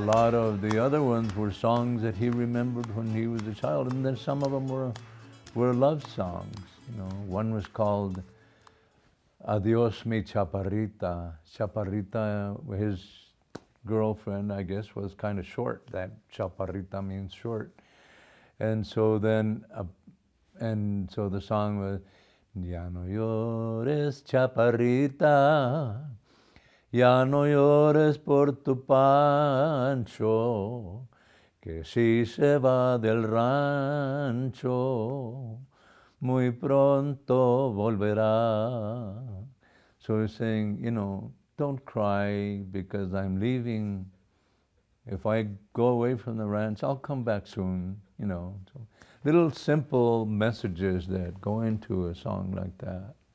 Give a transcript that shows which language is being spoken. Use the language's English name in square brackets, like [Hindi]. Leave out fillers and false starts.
[English] A lot of the other ones were songs that he remembered when he was a child, and then some of them were love songs. You know, one was called Adios Mi Chaparrita. Chaparrita, his girlfriend, I guess, was kind of short. That chaparrita means short. And so then, and so the song was, [Spanish] Ya no llores, chaparrita, ya no llores por tu Pancho, que si se va del rancho, muy pronto volverá. [English] So he's saying, you know, don't cry because I'm leaving. If I go away from the ranch, I'll come back soon. You know, so little simple messages that go into a song like that.